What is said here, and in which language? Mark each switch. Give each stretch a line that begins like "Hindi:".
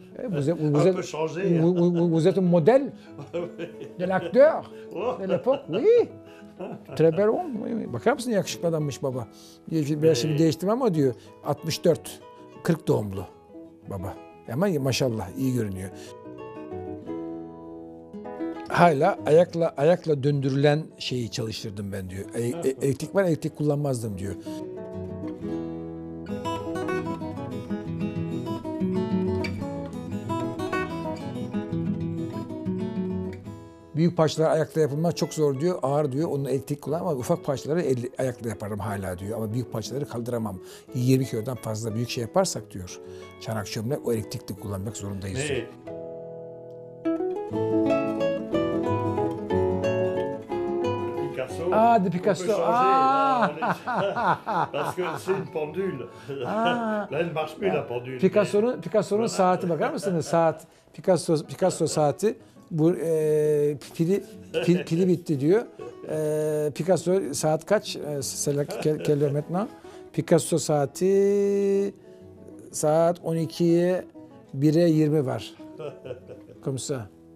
French: Vous êtes un modèle de l'acteur de l'époque, oui. Très bel homme.
Turkish: Bakar mısın, yakışıklı adammış baba. Biraz şimdi değiştim ama diyor. 64. 40 doğumlu baba. Ama maşallah iyi görünüyor. Hala ayakla döndürülen şeyi çalıştırdım ben diyor. Elektrik var, elektrik kullanmazdım diyor. Büyük parçalar ayakla yapılmaz, çok zor diyor, ağır diyor. Onun elektrik kullanmaz ama ufak parçaları ayakla yaparım hala diyor. Ama büyük parçaları kaldıramam. 20 kilodan fazla büyük şey yaparsak diyor. Çanak çömle o elektrik de kullanmak zorundayız. Ne?
French: Ah, de Picasso. Changer, parce que c'est une pendule. Là, elle ne marche plus la pendule.
Turkish: Picasso'nun saati bakar mısınız? Saat. Picasso saati. Bu pili bitti diyor. Picasso saat kaç? Kilometre. Picasso saati saat 12'ye 1'e 20 var.
French: Comme ça.